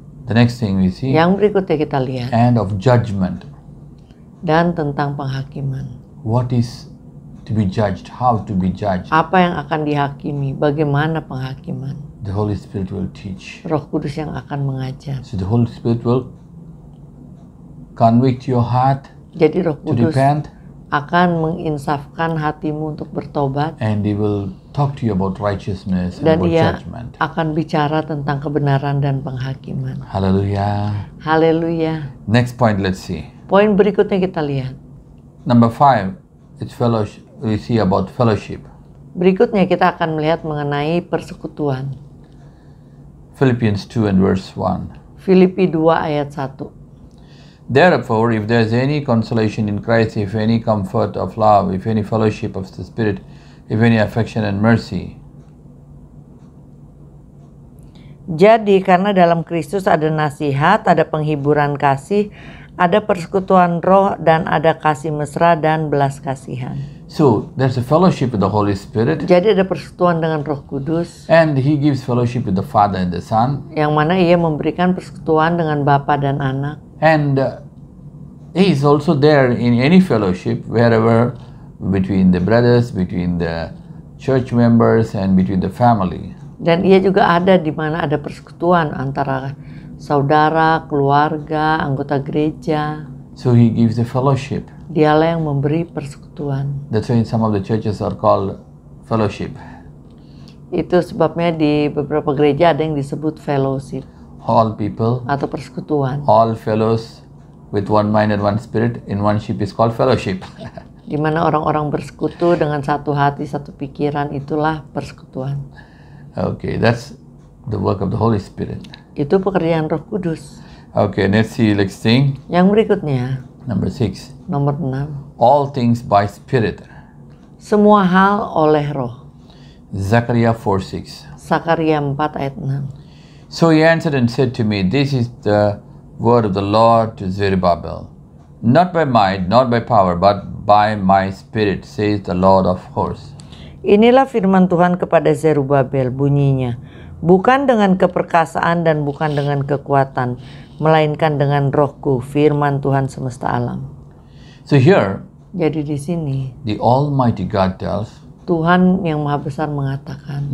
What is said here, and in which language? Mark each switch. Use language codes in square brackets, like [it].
[en] The next thing we see. [id] Yang berikutnya kita lihat. [en] And of judgment. [id] Dan tentang penghakiman. [en] What is to be judged? How to be judged? [id] Apa yang akan dihakimi? Bagaimana penghakiman? [en] The Holy Spirit will teach. [id] Roh Kudus yang akan mengajar. [en] So the Holy Spirit will convict your heart. [id] Jadi Roh Kudus [en] to repent, [id] akan menginsafkan hatimu untuk bertobat. [en] And he will talk to you about righteousness and about judgment. [id] Dan akan bicara tentang kebenaran dan penghakiman. [en] Hallelujah. [id] Hallelujah. [en] Next point, let's see. [id] Poin berikutnya kita lihat. [en] Number 5, it's fellowship. We see about fellowship. [id] Berikutnya kita akan melihat mengenai persekutuan. [en] Philippians 2 and verse 1. [id] Filipi 2 ayat 1. [en] Therefore, if there's any consolation in Christ, if any comfort of love, if any fellowship of the Spirit, if any affection and mercy. [id] Jadi karena dalam Kristus ada nasihat, ada penghiburan kasih, ada persekutuan roh, dan ada kasih mesra dan belas kasihan. [en] So, there's a fellowship with the Holy Spirit. [id] Jadi ada persekutuan dengan Roh Kudus. [en] And he gives fellowship with the Father and the Son. [id] Yang mana ia memberikan persekutuan dengan Bapa dan Anak. [en] And he is also there in any fellowship, wherever, between the brothers, between the church members, and between the family. [id] Dan ia juga ada di mana ada persekutuan antara saudara, keluarga, anggota gereja. [en] So he gives the fellowship. [id] Dialah yang memberi persekutuan. [en] That's why some of the churches are called fellowship. [id] Itu sebabnya di beberapa gereja ada yang disebut fellowship. [en] All people. [id] Atau persekutuan. [en] All fellows with one mind and one spirit in one ship is called fellowship. [id] Di mana orang-orang bersekutu dengan satu hati, satu pikiran, itulah persekutuan. [en] Okay, that's the work of the Holy Spirit. [id] Itu pekerjaan Roh Kudus. [en] Okay, let's see next thing. [id] Yang berikutnya. [en] Number 6. [id] Nomor 6. [en] All things by Spirit. [id] Semua hal oleh Roh. [en] Zechariah 4:6. [id] Zakaria 4 ayat 6. [en] So he answered and said to me, this is the word of the Lord to Zerubbabel. Not by might, not by power, but by my Spirit, says the Lord of hosts. [id] Inilah firman Tuhan kepada Zerubbabel, bunyinya. Bukan dengan keperkasaan dan bukan dengan kekuatan, melainkan dengan Roh-Ku, firman Tuhan semesta alam. [en] So here, [id] jadi di sini, [en] the Almighty God tells, [id] Tuhan yang Maha Besar mengatakan,